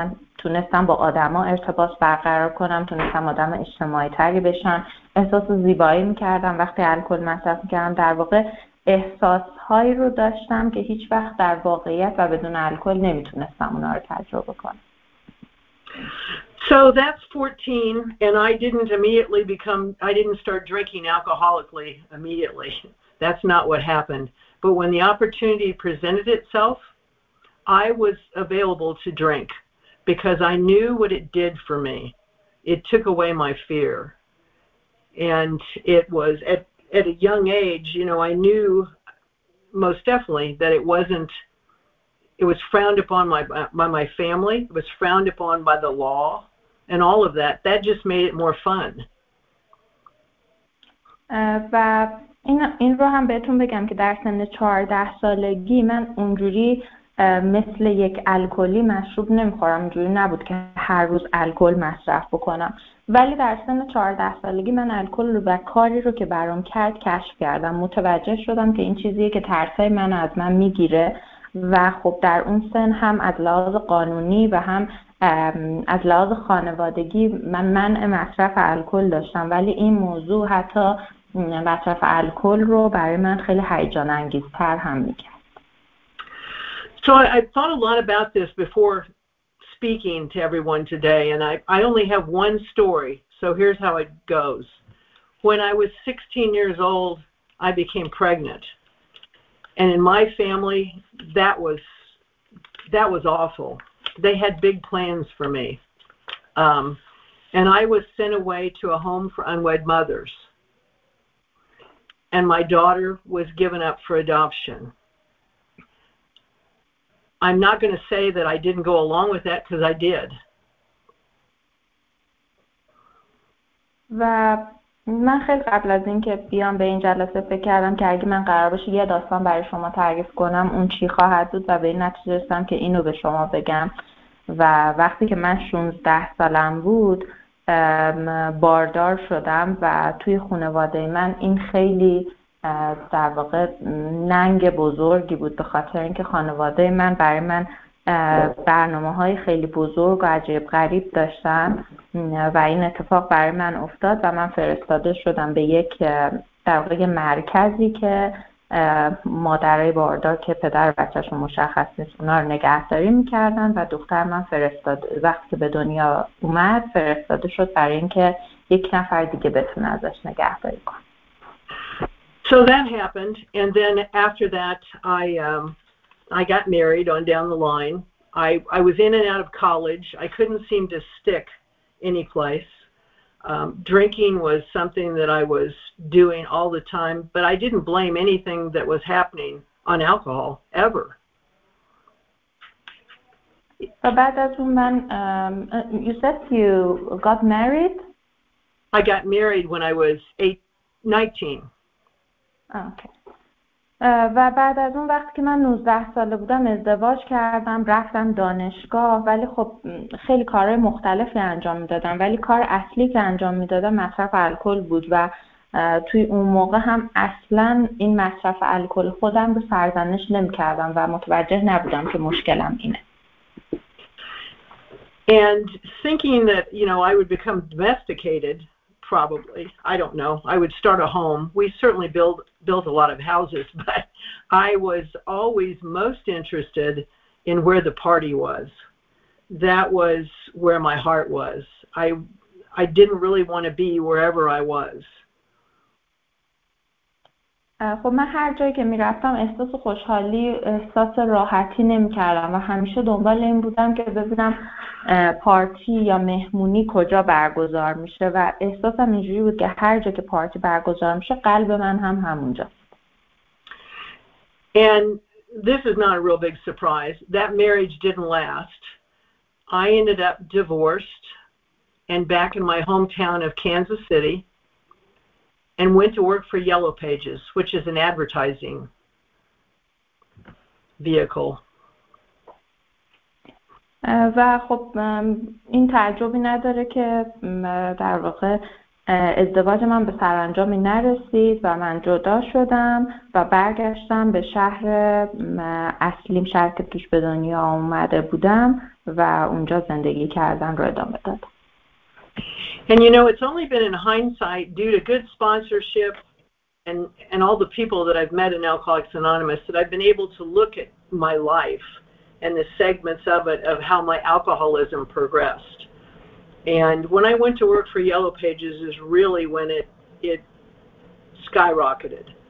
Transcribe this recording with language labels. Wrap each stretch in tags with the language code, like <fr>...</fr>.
<fa>من تونستم با آدما ارتباط برقرار کنم، تونستم آدم اجتماعی تری بشم، احساس زیبایی میکردم وقتی الکل مصرف میکردم. در واقع احساس هایی رو داشتم که هیچ وقت در واقعیت و بدون الکل نمیتونستم اونا رو تجربه کنم.</fa> <en>So that's 14 and I didn't start drinking alcoholically immediately. That's not what happened. But when the opportunity presented itself, I was available to drink because I knew what it did for me. It took away my fear. And it was at a young age, you know, I knew most definitely that it was frowned upon by my family. It was frowned upon by the law and all of that. That just made it more fun.</en> <fa>و این رو هم بهتون بگم که در سن 14 سالگی من اونجوری مثل یک الکلی مشروب نمیخورم، اینجوری نبود که هر روز الکل مصرف بکنم، ولی در سن 14 سالگی من الکل رو و کاری رو که برام کرد کشف کردم. متوجه شدم که این چیزیه که ترسای من از من میگیره و خب در اون سن هم از لحاظ قانونی و هم از لحاظ خانوادگی من منع مصرف الکل داشتم، ولی این موضوع حتی مصرف الکل رو برای من خیلی هیجان انگیزتر هم میکرد.</fa> <en>So I thought a lot about this before speaking to everyone today, and I only have one story, so here's how it goes. When I was 16 years old, I became pregnant. And in my family, that was awful. They had big plans for me. And I was sent away to a home for unwed mothers. and my daughter was given up for adoption. I'm not going to say that I didn't go along with that, because I did.</en> <fa>و من خیلی قبل از اینکه بیام به این جلسه فکر کردم که اگه من قرار باشه یه داستان برای شما تعریف کنم اون چی خواهد بود و به این نتیجه رسیدم که اینو به شما بگم. و وقتی که من 16 سالم بود باردار شدم و توی خانواده من این خیلی در واقع ننگ بزرگی بود، به خاطر اینکه خانواده من برای من برنامه های خیلی بزرگ و عجیب غریب داشتن و این اتفاق برای من افتاد و من فرستاده شدم به یک در واقع مرکزی که مادرای باردار که پدر بچه‌شو مشخص نیست اونا رو نگهداری میکردن و دختر من فرستاد وقتی به دنیا اومد فرستاده شد برای اینکه یک نفر دیگه بتونه ازش نگهداری کنه.</fa> <en>So that happened, and then after that, I got married on down the line. I was in and out of college. I couldn't seem to stick any place. Drinking was something that I was doing all the time, but I didn't blame anything that was happening on alcohol, ever. About that woman, you said you got married? I got married when I was 19.</en> <fa>و بعد از اون وقتی که من 19 ساله بودم ازدواج کردم، رفتم دانشگاه، ولی خب خیلی کارهای مختلفی انجام میدادم، ولی کار اصلی که انجام میدادم مصرف الکل بود و توی اون موقع هم اصلا این مصرف الکل خودم به سرزنش نمی کردم و متوجه نبودم که مشکلم اینه.</fa> <en>And thinking that, you know, I would become domesticated, probably, I don't know, I would start a home. We certainly built a lot of houses, but I was always most interested in where the party was. That was where my heart was. I didn't really want to be wherever I was.</en> <fa>خب من هر جایی که میرفتم احساس خوشحالی، احساس راحتی نمی کردم و همیشه دنبال این بودم که ببینم پارتی یا مهمونی کجا برگزار میشه و احساسم اینجوری بود که هر جا که پارتی برگزار میشه قلب من هم همونجا.</fa> <en>And this is not a real big surprise. That marriage didn't last. I ended up divorced and back in my hometown of Kansas City and went to work for Yellow Pages, which is an advertising vehicle.</en> <fa>و خب این تعجبی نداره که در واقع ازدواج من به سرانجامی نرسید و من جدا شدم و برگشتم به شهر اصلیم، شهر که توش به دنیا اومده بودم و اونجا زندگی کردن رو ادامه دادم.</fa> <en>And you know, it's only been in hindsight due to good sponsorship and all the people that I've met in Alcoholics Anonymous that I've been able to look at my life and the segments of it, of how my alcoholism progressed. And when I went to work for Yellow Pages is really when it skyrocketed.</en>